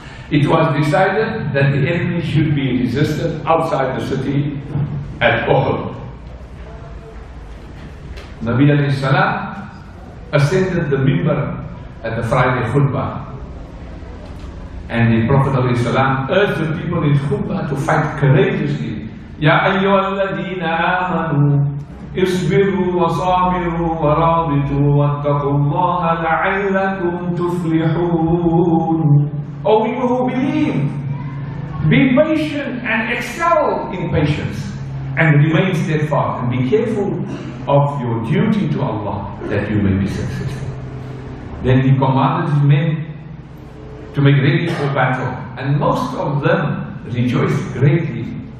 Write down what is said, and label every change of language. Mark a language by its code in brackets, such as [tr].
[en] It was decided that the enemy should be resisted outside the city at Uhud. Nabi alayhi salam ascended the minbar at the Friday khutbah. And the Prophet alayhi salam urged the people in khutbah to fight courageously. [ar] Ya ayyuhal ladina amanu اصبروا وصابروا ورابطوا واتقوا الله لعلكم تفلحون. [en] Oh, you who believe, be patient and excel in patience and remain steadfast and be careful of your duty to Allah that you may be successful. Then he commanded his men to make ready for battle, and most of them rejoiced greatly.